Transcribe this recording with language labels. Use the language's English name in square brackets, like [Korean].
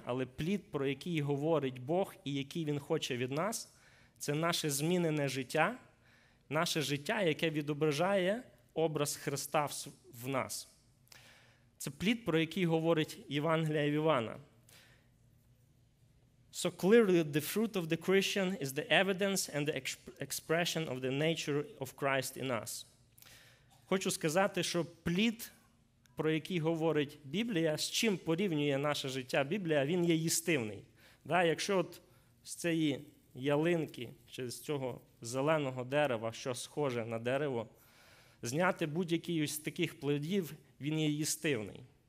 [Ukrainian] Але плід, про який говорить Бог і який Він хоче від нас, це наше змінене життя, наше життя, яке відображає образ Христа в нас. Це плід, про який говорить Євангелія від Івана. [English] So clearly the fruit of the Christian is the evidence and the expression of the nature of Christ in us. [Ukrainian] Хочу сказати, що плід, про який говорить Біблія, з чим порівнює наше життя Біблія, він є їстивний. Да, якщо от з цієї ялинки, чи з цього зеленого дерева, що схоже на дерево, зняти будь-який з таких плодів, він є їстивний.